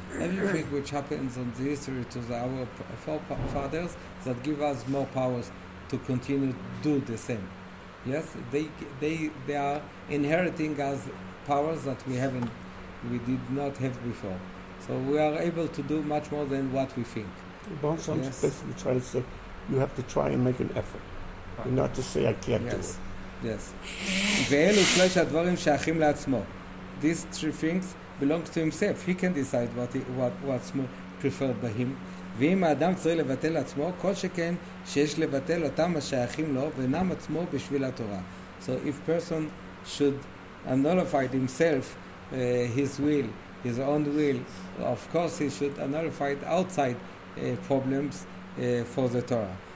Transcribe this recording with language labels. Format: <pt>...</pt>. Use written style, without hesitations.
<en>Everything which happens in the history to the, our forefathers, that give us more powers to continue to do the same. Yes, they are inheriting us powers that we did not have before. So we are able to do much more than what we think. Bonson's yes. basically trying to say, you have to try and make an effort, right. And not to say I can't yes. do it. Yes.</en> <he>ואלו שלוש הדברים שייכים לעצמו.</he> <en>These three things belong to himself. He can decide what's more preferred by him.</en> <he>ואם האדם צריך לבטל עצמו, כל שכן שיש לבטל אותם השייכים לו ואינם עצמו בשביל התורה.</he> <en>So if person should annulify himself, his will, his own will, of course he should annulify outside problems for the Torah.</en>